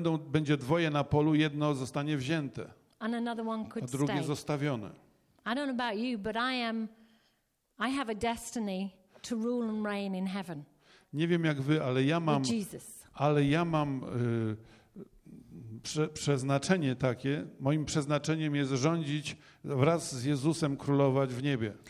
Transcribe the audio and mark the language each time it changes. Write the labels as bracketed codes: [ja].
[pl] Będzie dwoje na polu, jedno zostanie wzięte. [en] And another one could stay. [pl] A drugie [en] stay. [pl] Zostawione. [en] I don't know about you, but I have a destiny to rule and reign in heaven. [pl] Nie wiem jak wy, ale ja mam. [en] With Jesus. [pl] Ale ja mam przeznaczenie takie. Moim przeznaczeniem jest rządzić wraz z Jezusem, królować w niebie.